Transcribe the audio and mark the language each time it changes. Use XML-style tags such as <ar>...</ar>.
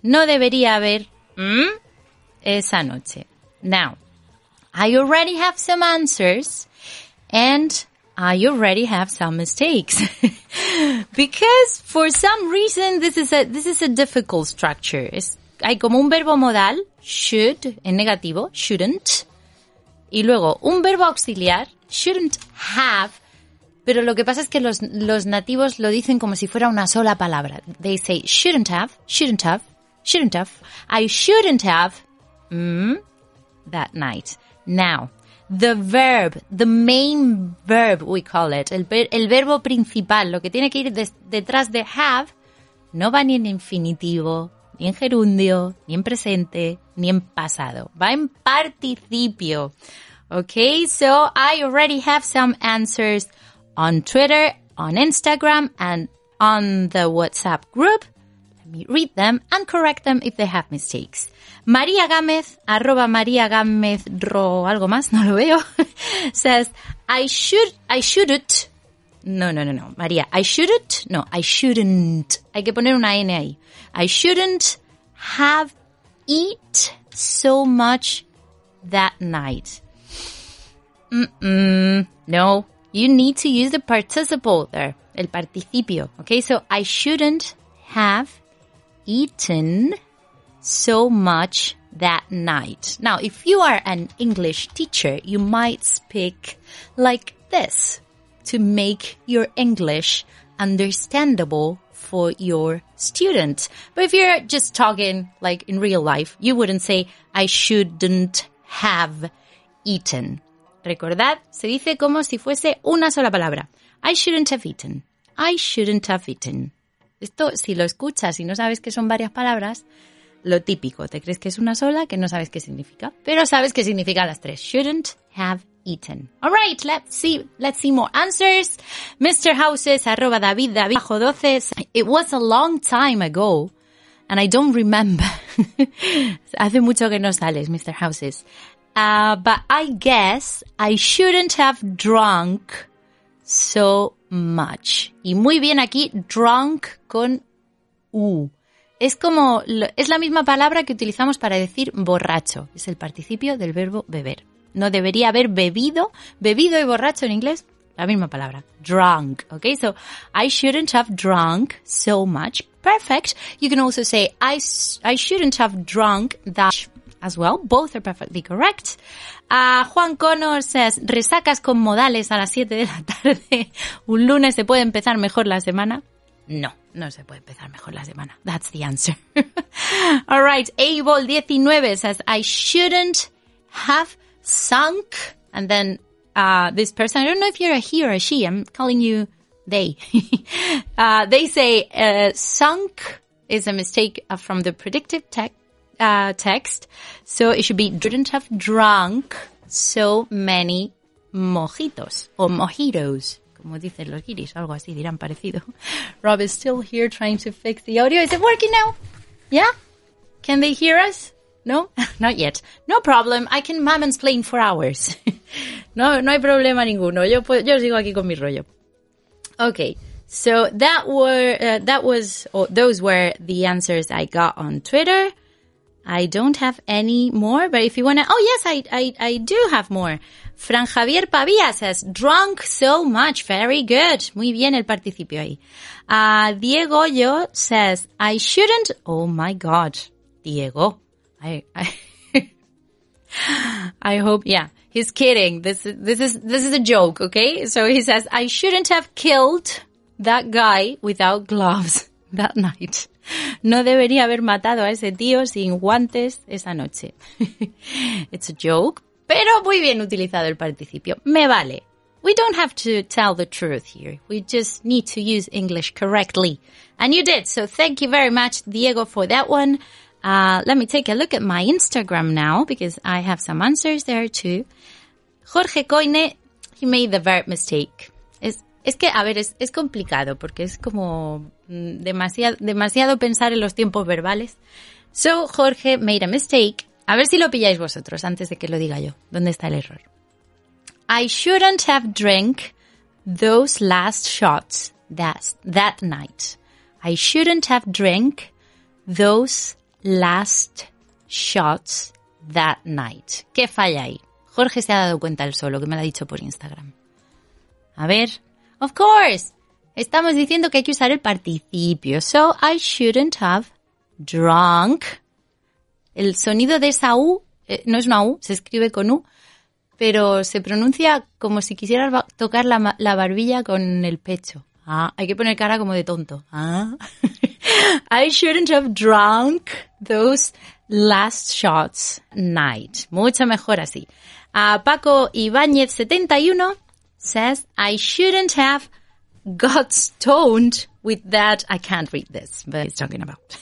<es>No debería haber esa noche.</es> <en>Now, I already have some answers, and I already have some mistakes. Because for some reason, this is a difficult structure.</en> <es>Hay como un verbo modal, should, en negativo, shouldn't. Y luego, un verbo auxiliar, shouldn't have, pero lo que pasa es que los nativos lo dicen como si fuera una sola palabra.</es> <en>They say, shouldn't have, shouldn't have, shouldn't have. I shouldn't have that night. Now, the verb, the main verb, we call it,</en> <es>el verbo principal, lo que tiene que ir detrás de have, no va ni en infinitivo, ni en gerundio, ni en presente, ni en pasado. Va en participio.</es> <en>Okay, so I already have some answers on Twitter, on Instagram, and on the WhatsApp group. Let me read them and correct them if they have mistakes.</en> <es>María Gámez, @MaríaGámezRo, algo más, no lo veo,</es> <en>says, I shouldn't. No, María, I shouldn't.</en> <es>Hay que poner una N ahí.</es> <en>I shouldn't have eat so much that night. No, you need to use the participle there, el participio. Okay, so I shouldn't have eaten so much that night. Now, if you are an English teacher, you might speak like this to make your English understandable for your student. But if you're just talking like in real life, you wouldn't say, I shouldn't have eaten.</en> <es>Recordad, se dice como si fuese una sola palabra.</es> <en>I shouldn't have eaten. I shouldn't have eaten.</en> <es>Esto, si lo escuchas y no sabes que son varias palabras, lo típico, te crees que es una sola, que no sabes qué significa, pero sabes qué significa las tres.</es> <en>Shouldn't have eaten. All right, let's see more answers. Mr. Houses, @David12. It was a long time ago, and I don't remember.</en> <es>Hace mucho que no sales, Mr. Houses.</es> <en>But I guess I shouldn't have drunk so much.</en> <es>Y muy bien aquí, drunk con U. Es como, es la misma palabra que utilizamos para decir borracho. Es el participio del verbo beber. No debería haber bebido. Bebido y borracho en inglés, la misma palabra.</es> <en>Drunk, okay? So, I shouldn't have drunk so much. Perfect. You can also say, I shouldn't have drunk that much as well. Both are perfectly correct.</en> <es>Juan Connor says, resacas con modales a las 7 de la tarde. Un lunes se puede empezar mejor la semana. No, no se puede empezar mejor la semana.</es> <en>That's the answer. All right, Abel 19 says, I shouldn't have sunk. And then this person, I don't know if you're a he or a she, I'm calling you they. they say, sunk is a mistake from the predictive text. So it should be, didn't have drunk so many mojitos or mojitos.</en> <es>Como dicen los guiris, algo así dirán parecido.</es> <en>Rob is still here trying to fix the audio. Is it working now? Yeah? Can they hear us? No? Not yet. No problem. I can mom explain for hours.</en> <es>No hay problema ninguno. Yo sigo aquí con mi rollo. Okay.</es> <en>So those were the answers I got on Twitter. I don't have any more, but if you want to... Oh, yes, I do have more. Fran Javier Pavia says, drunk so much. Very good.</en> <es>Muy bien el participio ahí.</es> <en>Diego Yo says, I shouldn't... Oh, my God. Diego. I hope... Yeah, he's kidding. This is a joke, okay? So he says, I shouldn't have killed that guy without gloves that night.</en> <es>No debería haber matado a ese tío sin guantes esa noche.</es> <en>It's a joke,</en> <es>pero muy bien utilizado el participio. Me vale.</es> <en>We don't have to tell the truth here. We just need to use English correctly. And you did, so thank you very much, Diego, for that one. Let me take a look at my Instagram now, because I have some answers there too. Jorge Coine, he made the verb mistake.</en> <es>Es complicado, porque es como... demasiado pensar en los tiempos verbales.</es> <en>So, Jorge made a mistake.</en> <es>A ver si lo pilláis vosotros antes de que lo diga yo. ¿Dónde está el error?</es> <en>I shouldn't have drank those last shots that night. I shouldn't have drank those last shots that night.</en> <es>¿Qué falla ahí? Jorge se ha dado cuenta él solo, que me lo ha dicho por Instagram. A ver.</es> <en>Of course.</en> <es>Estamos diciendo que hay que usar el participio.</es> <en>So, I shouldn't have drunk.</en> <es>El sonido de esa U, no es una U, se escribe con U, pero se pronuncia como si quisiera tocar la barbilla con el pecho. Ah, hay que poner cara como de tonto. Ah.</es> <en>I shouldn't have drunk those last shots night.</en> <es>Mucho mejor así.</es> <en>Paco Ibáñez 71 says, I shouldn't have got stoned with that. I can't read this, but he's talking about.</en>